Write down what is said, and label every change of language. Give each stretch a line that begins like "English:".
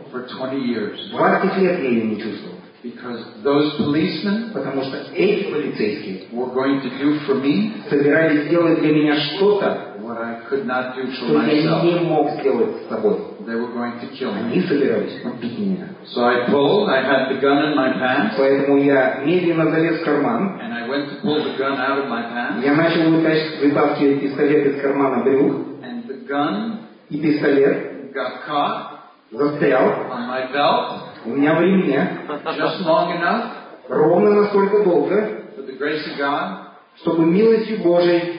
English: For 20 years.
Russian: 20 лет я ее не чувствовал.
English: Because those policemen,
Russian: потому что эти полицейские,
English: were going to do for me,
Russian: собирались сделать для меня что-то,
English: what I could not do
Russian: что
English: for myself.
Russian: Я не мог сделать с собой.
English: They were going to kill me.
Russian: Они собирались убить меня.
English: So I pulled, I had the gun in my pants,
Russian: поэтому я медленно залез в карман.
English: And I went to pull the gun out of my pants,
Russian: я начал вытаскивать пистолет из кармана брюк.
English: And the gun,
Russian: и пистолет
English: got caught,
Russian: застрял
English: on my belt,
Russian: у меня в ремне.
English: Just long enough,
Russian: ровно настолько долго,
English: for the grace of God,
Russian: чтобы милостью Божией,